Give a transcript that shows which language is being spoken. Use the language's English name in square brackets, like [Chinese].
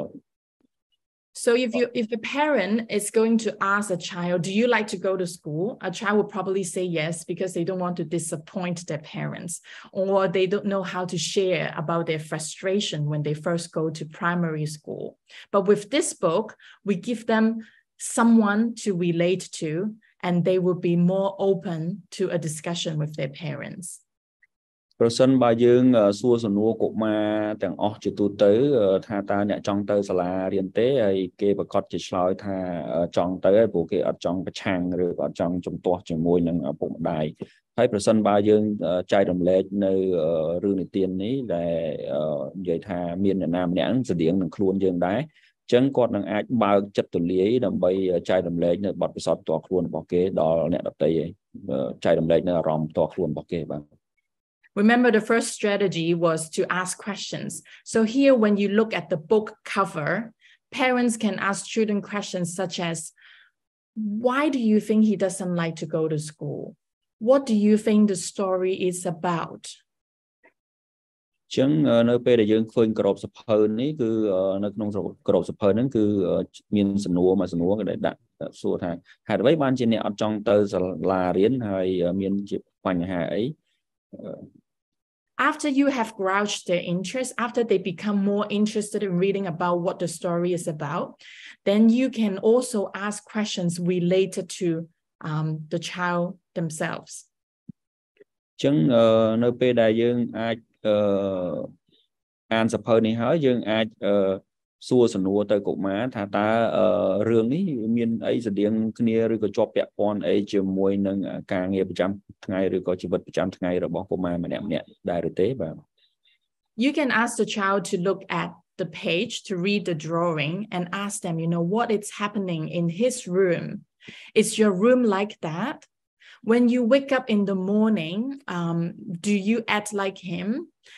[English] So if the parent is going to ask a child do you like to go to school a child will probably say yes because they don't want to disappoint their parents or they don't know how to share about their frustration when they first go to primary school but with this book we give themsomeone to relate to and they will be more open to a discussion with their parents [Khmer] ប្រសិនបើយើងសួរសំណួរកុមារទាំងអស់ជាទូទៅថាតើអ្នកចង់ទៅសាលារៀនទេហើយគេប្រកាសជាឆ្លើយថាចង់ទៅហើយព្រោះគេអត់ចង់ប្រឆាំងឬក៏ចង់ជំទាស់ជាមួយនឹងឪពុកម្ដាយហើយប្រសិនបើយើងចែករំលែកនៅរឿងនិទាននេះដែលនិយាយថាមានអ្នកណាម្នាក់ស្រដៀងនឹងខ្លួនយើងដែរអញ្ចឹងគាត់នឹងអាចបើកចិត្តទូលាយដើម្បីចែករំលែកនៅបទពិសោធន៍ផ្ទាល់ខ្លួនរបស់គេដល់អ្នកដទៃចែករំលែកនៅអារម្មណ៍ផ្ទាល់ខ្លួនរបស់គេបាទ [English] Remember the first strategy was to ask questions. So here when you look at the book cover, parents can ask children questions such as why do you think he doesn't like to go to school? What do you think the story is about? [Khmer] ចឹងនៅពេលដែលយើងឃើញក្របសភើនេះគឺនៅក្នុងក្របសភើហ្នឹងគឺមានសំណួរមួយសំណួរគេដាក់សួរថាហេតុអ្វីបានជាអ្នកអត់ចង់ទៅសាលារៀនហើយមានជាបញ្ហាអី [English] After you have grouched their interest after they become more interested in reading about what the story is about then you can also ask questions related to the child themselves [Khmer] ចឹងនៅពេលដែលយើងអាចអានសៀវភៅនេះហើយយើងអាចសួរសំណួរទៅកុមារថាតើរឿងនេះមានអីស្រដៀងគ្នាឬក៏ជាប់ពាក់ព័ន្ធអីជាមួយនឹងការងារប្រចាំថ្ងៃឬក៏ជីវិតប្រចាំថ្ងៃរបស់កុមារម្នាក់ៗដែរឬទេបាទ [English] You can ask the child to look at the page to read the drawing and ask them, you know, what is happening in his room? Is your room like that? When you wake up in the morning, do you act like him?